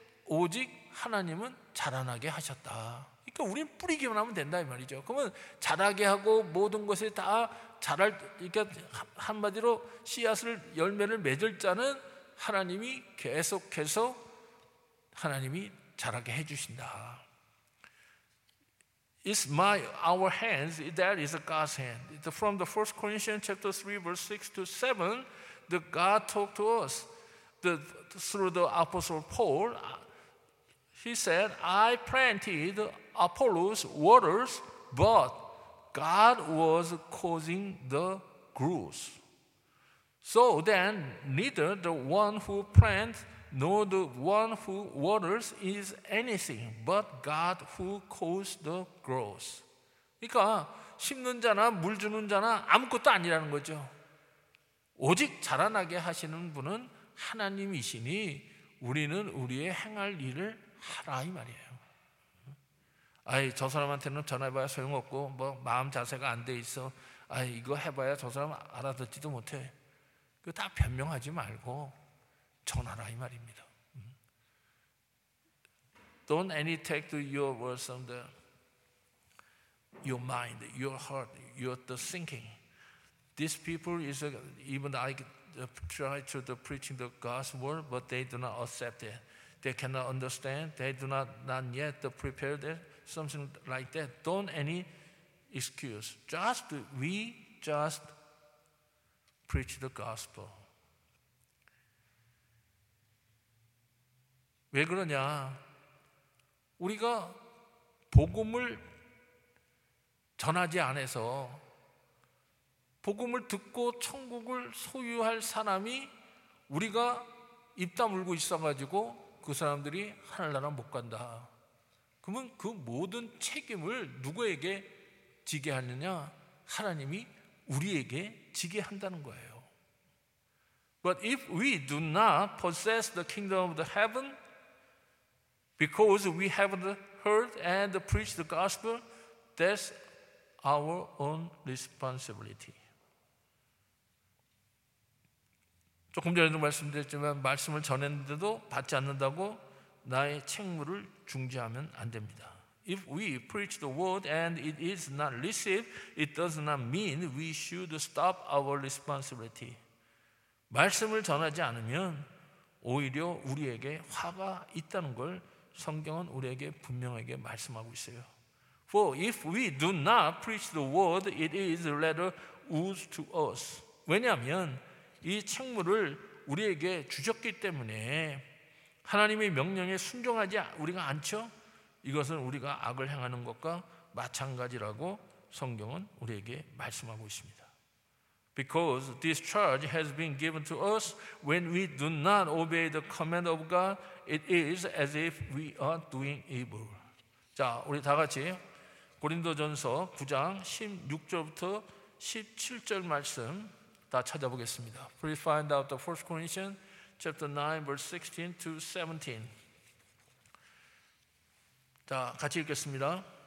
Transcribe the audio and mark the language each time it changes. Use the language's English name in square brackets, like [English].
[Korean] 오직 하나님은 자라나게 하셨다. 그러니까 우리는 뿌리기만 하면 된다 이 말이죠. 그러면 자라게 하고 모든 것에 다 자랄, 그러니까 한마디로 씨앗을 열매를 맺을 자는 하나님이 계속해서 하나님이 자라게 해주신다. [English] It's my, our hands, that is God's hand. From the 1 Corinthians chapter 3, verse 6 to 7, the God talked to us through the Apostle Paul. He said, I planted Apollos waters, but God was causing the growth. So then, neither the one who plants nor the one who waters is anything but God who caused the growth. [Korean] 그러니까 심는 자나 물 주는 자나 아무것도 아니라는 거죠. 오직 자라나게 하시는 분은 하나님이시니 우리는 우리의 행할 일을 하라 이 말이에요. 아이 저 사람한테는 전해봐야 소용없고 뭐 마음 자세가 안 돼 있어. 아이 이거 해봐야 저 사람 알아듣지도 못해. 그 다 변명하지 말고 전하라 이 말입니다. [English] Don't any take to your words on the your mind, your heart, your the thinking. These people is a, even I try to the preaching the gospel word, but they do not accept it. They cannot understand. They do not not yet the prepare that something like that. Don't any excuse. Just we just preach the gospel. [Korean] 왜 그러냐? 우리가 복음을 전하지 않아서 복음을 듣고 천국을 소유할 사람이 우리가 입 다물고 있어가지고 그 사람들이 하늘나라 못 간다. 그러면 그 모든 책임을 누구에게 지게 하느냐? 하나님이 우리에게 지게 한다는 거예요. [English] But if we do not possess the kingdom of the heaven, because we haven't heard and preached the gospel, that's our own responsibility. [Korean] 조금 전에도 말씀드렸지만 말씀을 전했는데도 받지 않는다고 나의 책무를 중지하면 안 됩니다. [English] If we preach the word and it is not received, it does not mean we should stop our responsibility. [Korean] 말씀을 전하지 않으면 오히려 우리에게 화가 있다는 걸 성경은 우리에게 분명하게 말씀하고 있어요. [English] For if we do not preach the word, it is rather wounds to us. [Korean] 왜냐하면 이 책무를 우리에게 주셨기 때문에 하나님의 명령에 순종하지 우리가 않죠? 이것은 우리가 악을 행하는 것과 마찬가지라고 성경은 우리에게 말씀하고 있습니다. [English] Because this charge has been given to us when we do not obey the command of God, it is as if we are doing evil. [Korean] 자, 우리 다 같이 고린도전서 9장 16절부터 17절 말씀 다 찾아보겠습니다. [English] Please find out the 1 Corinthians chapter 9 verse 16 to 17. [Korean] 자, 같이 읽겠습니다.